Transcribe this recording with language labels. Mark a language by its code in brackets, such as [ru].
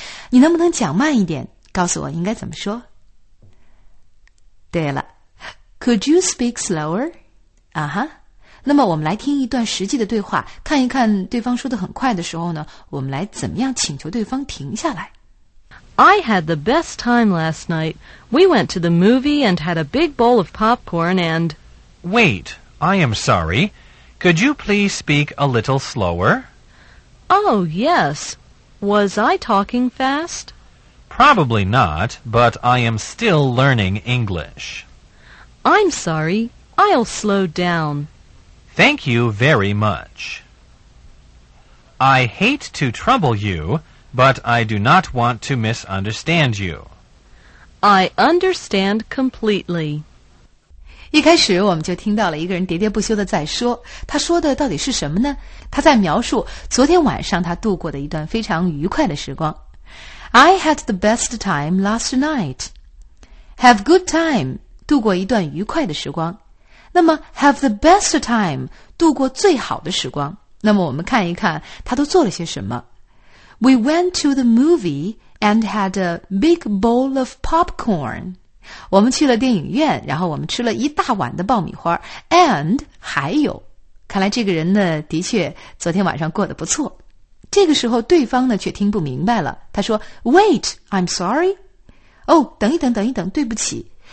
[zh] 你能不能讲慢一点？告诉我应该怎么说？对了 [en] ，Could you speak slower? 啊哈。 [zh] 那么我们来听一段实际的对话，看一看对方说得很快的时候呢，我们来怎么样请求对方停下来。 [en] I had the best time last night. We went to the movie and had a big bowl of popcorn and... Wait, I am sorry. Could you please speak a little slower? Oh, yes. Was I talking fast? Probably not, but I am still learning English. I'm sorry. I'll slow down. Thank you very much. I hate to trouble you... But I do not want to misunderstand you. I understand completely. [zh] 一开始我们就听到了一个人喋喋不休的在说，他说的到底是什么呢？他在描述昨天晚上他度过的一段非常愉快的时光。 [en] I had the best time last night. Have good time, [zh] 度过一段愉快的时光。那么 [en] have the best time, [zh] 度过最好的时光。那么我们看一看他都做了些什么。 [en] We went to the movie and had a big bowl of popcorn. [zh] 我们去了电影院，然后我们吃了一大碗的爆米花。 And 还有，看来这个人呢，的确昨天晚上过得不错。这个时候，对方呢却听不明白了。他说 [en] ：“Wait, I'm sorry. [zh] 哦，等一等，等一等，对不起。